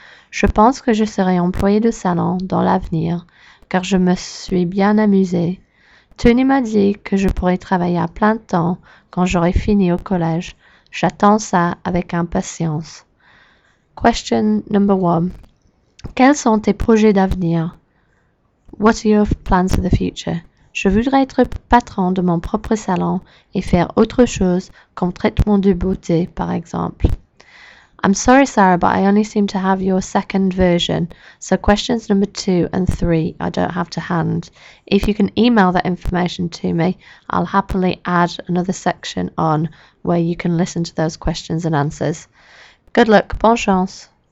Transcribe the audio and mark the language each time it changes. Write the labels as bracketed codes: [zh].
[fr] Je pense que je serai employée de salon dans l'avenir, car je me suis bien amusée. Tony m'a dit que je pourrais travailler à plein temps quand j'aurai fini au collège. J'attends ça avec impatience. [en] Question number one. [fr] Quels sont tes projets d'avenir? [en] What are your plans for the future? [fr] Je voudrais être patron de mon propre salon et faire autre chose comme traitement de beauté, par exemple. [en] I'm sorry, Sarah, but I only seem to have your second version. So questions number two and three I don't have to hand. If you can email that information to me, I'll happily add another section on where you can listen to those questions and answers. Good luck, [fr] bonne chance.